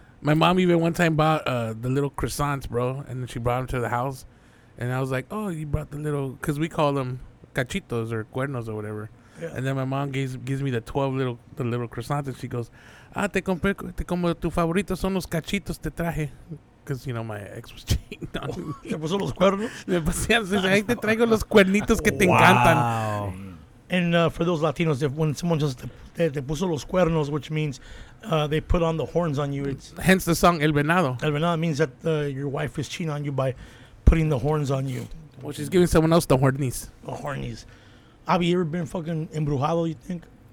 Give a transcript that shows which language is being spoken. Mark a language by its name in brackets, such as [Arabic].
[English] My mom even one time bought the little croissants, bro, and then she brought them to the house. And I was like, oh, you brought the little, because we call them cachitos or cuernos or whatever. Yeah. And then my mom gives me the 12 little croissants, and she goes, ah, [Spanish] te compré, te como tu favorito son los cachitos te traje. [English] Because, you know, my ex was cheating on me. [Spanish] ¿Te puso los cuernos? Me pasé, ahí te traigo los cuernitos que te encantan. [English] Wow. And for those Latinos, when someone just, [Spanish] te puso los cuernos, [English] which means they put on the horns on you. It's hence the song El Venado. El Venado means that your wife is cheating on you by putting the horns on you. Well, she's giving someone else the hornies. The hornies. Have you ever been fucking embrujado, you think?